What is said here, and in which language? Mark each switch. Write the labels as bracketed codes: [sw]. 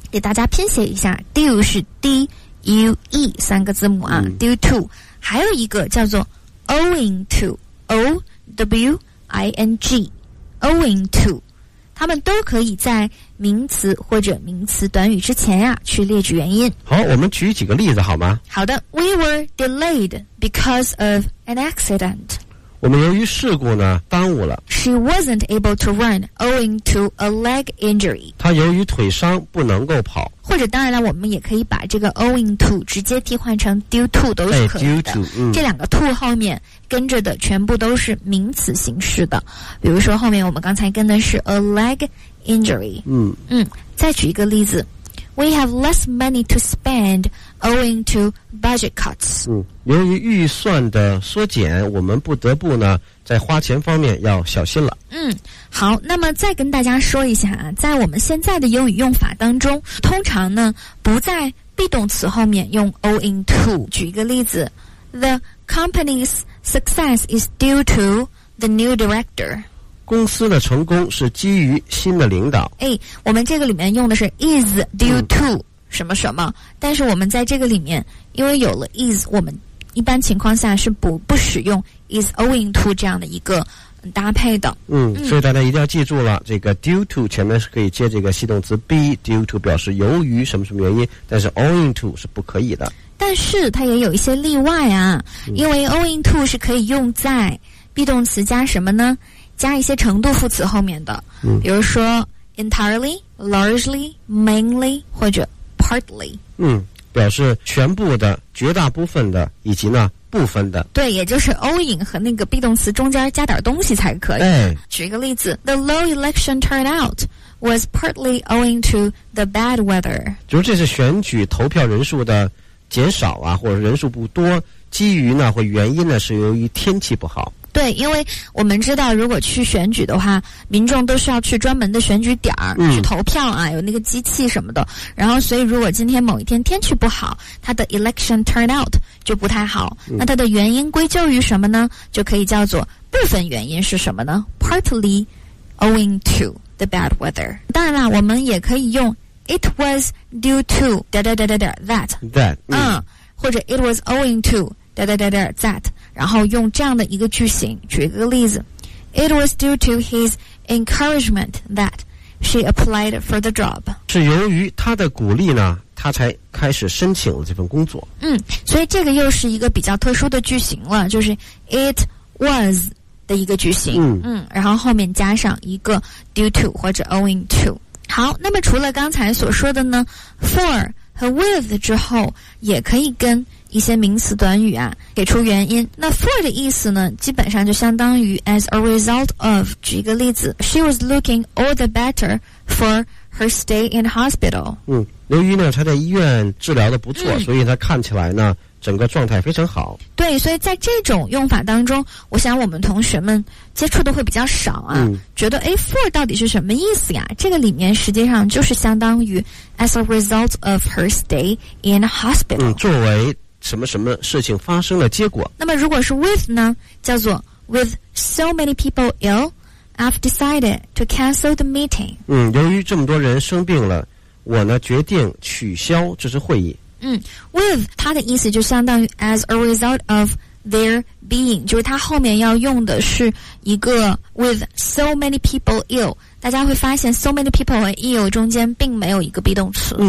[zh] 给大家拼写一下， due 是 due 三个字母啊。嗯， due to， 还有一个叫做 owing to, O-W-I-N-G, owing to, 它们都可以在名词或者名词短语之前啊去列举原因。好，我们举几个例子好吗？好的， [en] we were delayed because of an accident. [zh] 我们由于事故呢耽误了。 [en] She wasn't able to run owing to a leg injury. [zh] 她由于腿伤不能够跑。或者当然了，我们也可以把这个 owing to 直接替换成 due to 都是可以的。 due to, 这两个 to 后面跟着的全部都是名词形式的。比如说后面我们刚才跟的是 a leg injury。再举一个例子。 [en] We have less money to spend owing to budget cuts. [zh] 由于预算的缩减，我们不得不呢在花钱方面要小心了。好，那么再跟大家说一下啊，在我们现在的英语用法当中，通常呢不在 be 动词后面用 owing to。举一个例子， [en] The company's success is due to the new director. [zh] 公司的成功是基于新的领导。哎，我们这个里面用的是 is due to 什么什么，但是我们在这个里面因为有了 is， 我们一般情况下是不使用 is owing to 这样的一个搭配的。所以大家一定要记住了，这个 due to 前面是可以接这个系动词 be， due to 表示由于什么什么原因，但是 owing to 是不可以的。但是它也有一些例外啊，因为 owing to 是可以用在 be 动词加什么呢，加一些程度副词后面的，比如说 entirely, largely, mainly 或者 partly。表示全部的、绝大部分的以及呢部分的。对，也就是 owing 和那个 be 动词中间加点东西才可以。举一个例子 [en] ，The low election turnout was partly owing to the bad weather。 [zh] 就是这是选举投票人数的减少啊，或者人数不多，基于呢或原因呢是由于天气不好。对，因为我们知道如果去选举的话，民众都是要去专门的选举点儿去投票啊，有那个机器什么的，然后所以如果今天某一天天气不好，它的 election turnout 就不太好。那它的原因归咎于什么呢，就可以叫做部分原因是什么呢， [en] partly owing to the bad weather。 [zh] 当然啦，我们也可以用 [en] it was due to that [zh] 或者 [en] it was owing to that， [zh] 然后用这样的一个句型。举一个例子， [en] It was due to his encouragement that she applied for the job. [zh] 是由于他的鼓励呢，他才开始申请了这份工作。所以这个又是一个比较特殊的句型了，就是 it was 的一个句型。然后后面加上一个 due to 或者 owing to。好，那么除了刚才所说的呢， for 和 with 之后也可以跟一些名词短语啊给出原因。那 for 的意思呢基本上就相当于 [en] as a result of。 [zh] 举一个例子， [en] She was looking all the better for her stay in hospital。 [zh] 由于呢她在医院治疗的不错，所以她看起来呢整个状态非常好。对，所以在这种用法当中，我想我们同学们接触的会比较少啊。觉得哎 for 到底是什么意思呀，这个里面实际上就是相当于 [en] as a result of her stay in hospital。 [zh] 作为什么什么事情发生了结果。那么如果是 with 呢，叫做 [en] with so many people ill, I've decided to cancel the meeting。 [zh] 由于这么多人生病了，我呢决定取消这次会议。 with 它的意思就相当于 [en] as a result of their being, [zh] 就是它后面要用的是一个 [en] with so many people ill。 [zh] 大家会发现 so many people 和 ill 中间并没有一个 be 动词。